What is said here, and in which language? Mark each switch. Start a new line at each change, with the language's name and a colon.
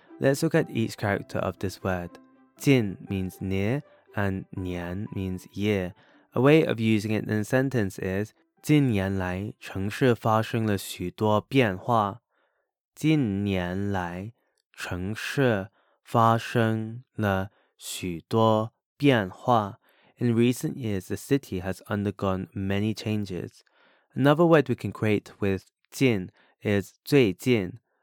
English: Let's look at each character of this word. 近 means near and 年 means year. A way of using it in a sentence is
Chinese: 近年来城市发生了许多变化。近年来城市发生了许多变化。
English: In recent years, the city has undergone many changes. Another word we can create with 近 is 最近。